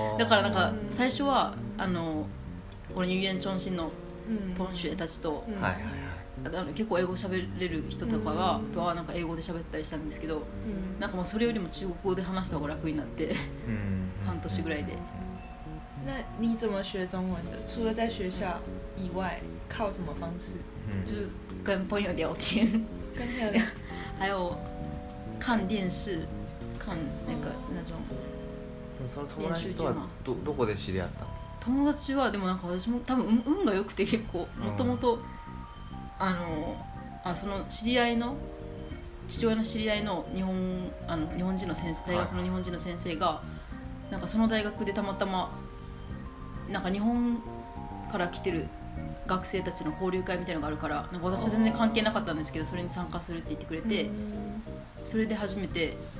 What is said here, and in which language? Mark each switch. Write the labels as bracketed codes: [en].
[ja] だから、なんか最初はあのこの有言中心のポンシュエたちと、結構英語喋れる人とかは、とはなんか英語で喋ったりしたんですけど、なんかまあそれよりも中国語で話した方が楽になって半年ぐらいで。 [zh] 那你怎么学中文的？除了在学校以外，靠什么方式？就跟朋友聊天，跟朋友聊，还有看电视，看那个那种。 [ja] その友達とは どこで知り合った？友達はでもなんか私も多分運が良くて結構もともとその知り合いの父親の知り合いの日本日本人の先生、大学の日本人の先生が、はい、なんかその大学でたまたまなんか日本から来てる学生たちの交流会みたいなのがあるから、なんか私は全然関係なかったんですけどそれに参加するって言ってくれて、それで初めて